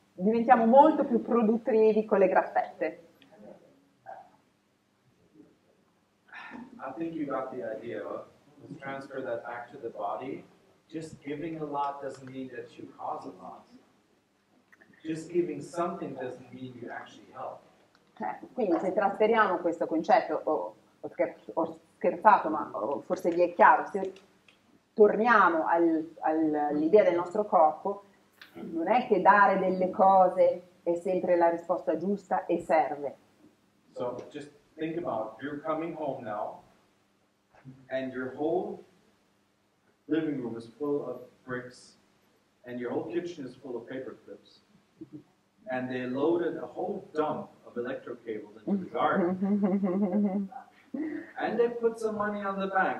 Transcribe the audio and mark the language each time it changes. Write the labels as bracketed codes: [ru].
[it] Diventiamo molto più produttivi con le graffette. [en] I think you got the idea. Let's transfer that back to the body. Just giving a lot doesn't mean that you cause a lot. Just giving something doesn't mean you actually help. [it] Quindi se trasferiamo questo concetto, ho scherzato, ma forse vi è chiaro, se torniamo all'idea del nostro corpo, non è che dare delle cose è sempre la risposta giusta e serve. [en] So just think about, you're coming home now, and your whole living room is full of bricks, and your whole kitchen is full of paper clips, and they loaded a whole dump of electrocables into the garden, and they put some money on the bank.